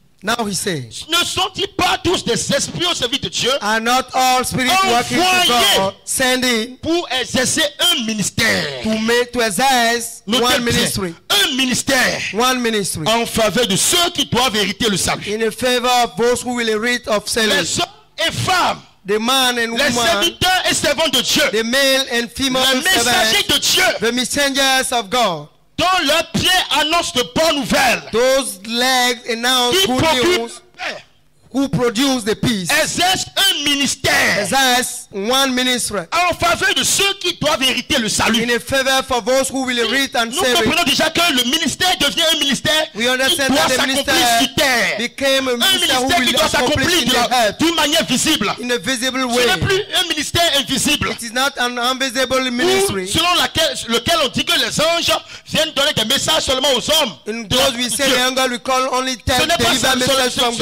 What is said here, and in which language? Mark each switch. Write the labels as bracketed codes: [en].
[en] Now he says, [fr] ne sont-ils pas tous des esprits au service de Dieu? [en] Are not all spirits working to God? Sending [fr] pour exercer un ministère. [en] To exercise one ministry. [fr] Un ministère. [en] One ministry. [fr] En faveur de ceux qui doivent hériter le salut. [en] In favor of those who will inherit of salvation. [fr] Les hommes et femmes. [en] The man and [fr] les [en] woman. [fr] Les serviteurs et servantes de Dieu. [en] The male and female [fr] servants. Les messagers de Dieu. [en] The messengers of God. [fr] Dont leurs pieds annoncent de bonnes nouvelles. [en] Those legs announce good news. Who produce the peace? [fr] Exerce un ministère. [en] Exerce one ministry. [fr] En faveur de ceux qui doivent hériter le salut. [en] In a favor for those who will inherit and save. [fr] Nous comprenons déjà que le ministère devient un ministère. [en] We understand that the ministry became a ministry who will accomplish in the earth. [fr] D'une manière visible. [en] In a visible way. [fr] Ce n'est plus un ministère invisible. [en] It is not an invisible ministry. [fr] Où, selon lequel on dit que les anges viennent donner des messages seulement aux hommes. [en] In those we say the angel will call only tell deliver messages from God.